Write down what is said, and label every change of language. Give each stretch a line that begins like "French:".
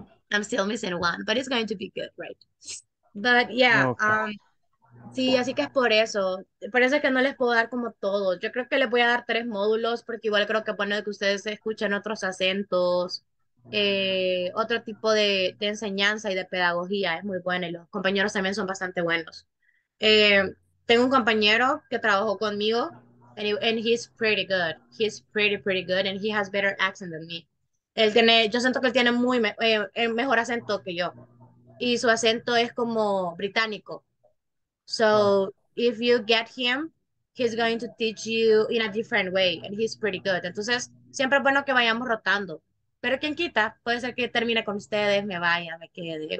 English: I'm still missing one, but it's going to be good, right? But Okay.
Spanish: yeah, sí, así que es por eso. Por eso es que no les puedo dar como todo. Yo creo que les voy a dar tres módulos, porque igual creo que bueno que ustedes escuchen otros acentos. Otro tipo de enseñanza y de pedagogía es muy buena y los compañeros también son bastante buenos. Tengo un compañero que trabajó conmigo
English: and he's pretty good. He's pretty good and he has better accent than me.
Spanish: Yo siento que él tiene muy mejor acento que yo y su acento es como británico.
English: So, if you get him, he's going to teach you in a different way and he's pretty good.
Spanish: Entonces, siempre es bueno que vayamos rotando. Pero quien quita, puede ser que termine con ustedes, me vaya, me quede.